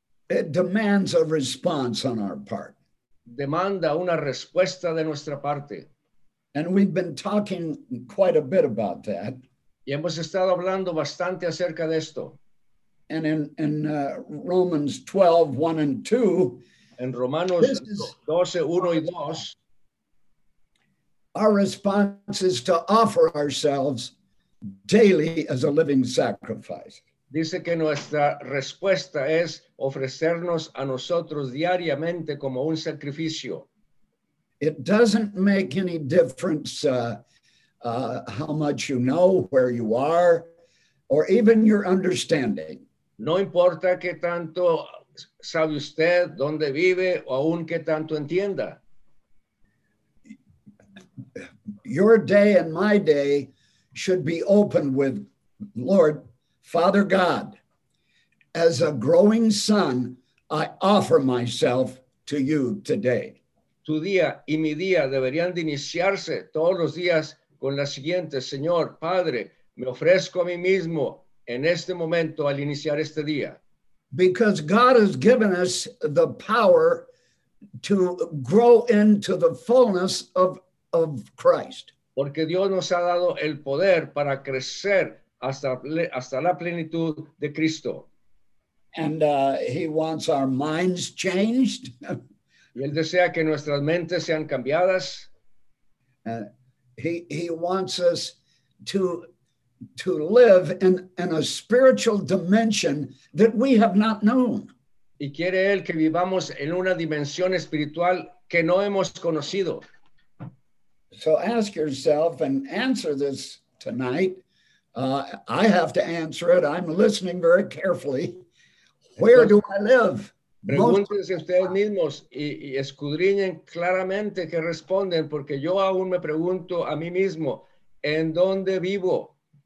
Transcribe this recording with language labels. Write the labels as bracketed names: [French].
[English] It demands a response on our part. [Spanish] Demanda una respuesta de nuestra parte. [English] And we've been talking quite a bit about that. [Spanish] Y hemos estado hablando bastante acerca de esto. [English] And in Romans 12, 1 and 2. [Spanish] En Romanos 12, 1 y 2. [English] Our response is to offer ourselves daily as a living sacrifice. [Spanish] Dice que nuestra respuesta es ofrecernos a nosotros diariamente como un sacrificio. [English] It doesn't make any difference how much you know, where you are, or even your understanding. [Spanish] No importa qué tanto sabe usted, dónde vive, o aún qué tanto entienda. [English] Your day and my day should be open with Lord, Father God, as a growing son, I offer myself to you today. [Spanish] Tu día y mi día deberían de iniciarse todos los días con la siguiente: Señor, Padre, me ofrezco a mí mismo en este momento al iniciar este día. [English] Because God has given us the power to grow into the fullness of Christ. [Spanish] Porque Dios nos ha dado el poder para crecer hasta la plenitud de Cristo. [English] And he wants our minds changed. [Spanish] Y él desea que nuestras mentes sean cambiadas. [English] He wants us to live in a spiritual dimension that we have not known. [Spanish] Y quiere él que vivamos en una dimensión espiritual que no hemos conocido. [English] So ask yourself and answer this tonight. I have to answer it. I'm listening very carefully. Where do I live? [Spanish] Pregúntense ustedes mismos y escudriñen claramente que responden, porque yo aún me pregunto a mí mismo, ¿en dónde vivo?